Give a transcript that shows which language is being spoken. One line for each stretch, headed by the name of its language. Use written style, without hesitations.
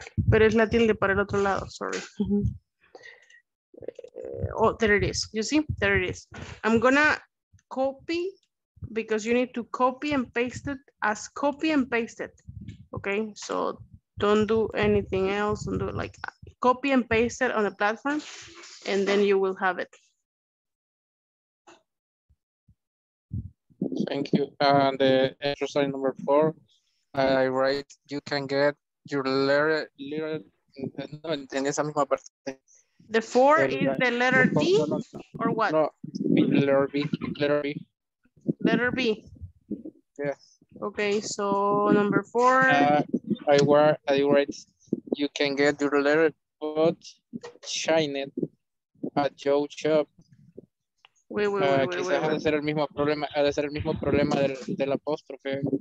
Spanish: Pero es la tilde para el otro lado, sorry.
English: Oh, there it is. You see? There it is. I'm gonna copy because you need to copy and paste it as copy and paste it. Okay? So don't do anything else. Don't do like copy and paste it on the platform and then you will have it. Thank you. And the exercise number 4, I write, you can get your letter.
Spanish: No, en esa misma parte.
English: The 4 is the letter D or what? No, letter B. Letter B. Letter B. Yes. Okay, so number 4. I write, you can get your letter, but shine it at your shop. Wait.
Spanish: Ha de ser el mismo problema, del apóstrofe.